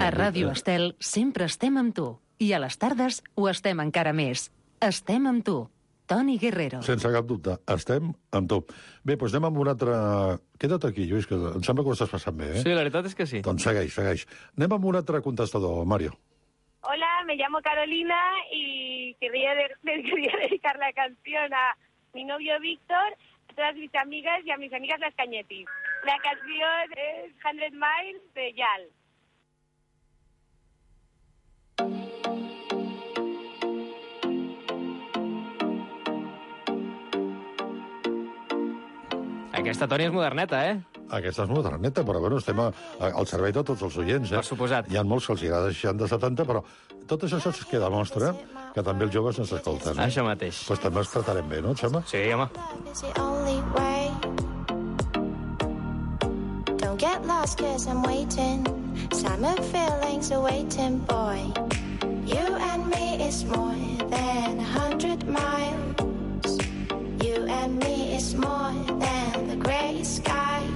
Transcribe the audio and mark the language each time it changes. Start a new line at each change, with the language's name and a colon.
Catalan: A Ràdio Estel sempre estem amb tu. I a les tardes ho estem encara més. Estem amb tu, Toni Guerrero. Sense cap dubte, estem amb tu. Bé, doncs anem amb un altre... Queda't aquí, Lluís, que em sembla que ho estàs passant bé, eh? Sí, la veritat és que sí. Doncs segueix, segueix. Anem amb un altre contestador, Mario.
Spanish: Hola, me llamo Carolina y quería dedicar la canción a mi novio Víctor, a todas mis amigas y a mis amigas las Cañetis. La canción es 100 Miles de Yal.
Catalan: Aquesta, Toni, és moderneta, eh? Aquesta és moderneta, però bueno, estem al servei de tots els oients, eh? Per suposat. Hi ha molts que els agrada 60-70, però tot això saps que demostra que també els joves ens escolten. Això mateix. Doncs pues també els tractarem bé, no, et sembla? Sí, home.
English: Don't get lost cause I'm waiting. Don't get lost cause I'm waiting. Summer feelings are waiting, boy. You and me is more than 100 miles. You and me is more than the gray sky.